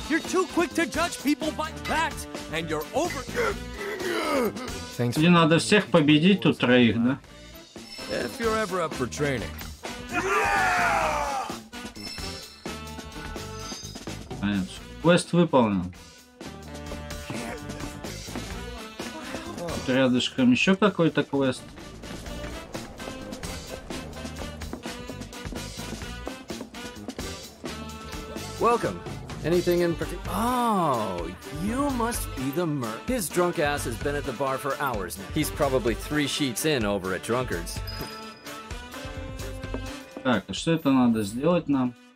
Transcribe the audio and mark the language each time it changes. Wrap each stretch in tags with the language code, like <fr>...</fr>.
<en>You're too quick to judge people by that, and you're over. Thanks.</en> <ru>Не надо всех победить тут троих, да?</ru> <en>If you're ever up for training.</en> <ru>Квест выполнен. Тут рядышком еще какой-то квест.</ru> <en>Welcome. Anything in particular? Oh, you must be the merc. His drunk ass has been at the bar for hours now. He's probably three sheets in over at Drunkard's.</en> <ru>Так, а что это надо сделать нам?</ru>